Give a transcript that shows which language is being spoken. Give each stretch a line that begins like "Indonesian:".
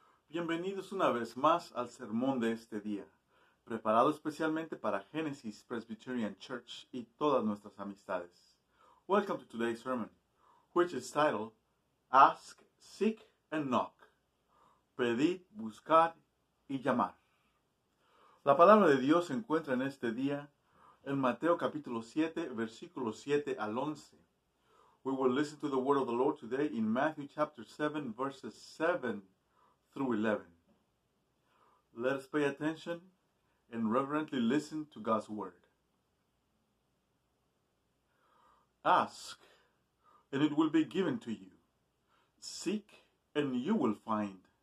Spanish: Bienvenidos una vez más al sermón de este día, preparado especialmente para Genesis Presbyterian Church y todas nuestras amistades.
English: Welcome to today's sermon, which is titled Ask, Seek, and Knock.
Spanish: Pedid, buscad y llamar. La palabra de Dios se encuentra en este día en Mateo capítulo 7, versículos 7 al 11.
English: We will listen to the word of the Lord today in Matthew chapter 7, verses 7 through 11. Let us pay attention and reverently listen to God's word. Ask, and it will be given to you. Seek, and you will find.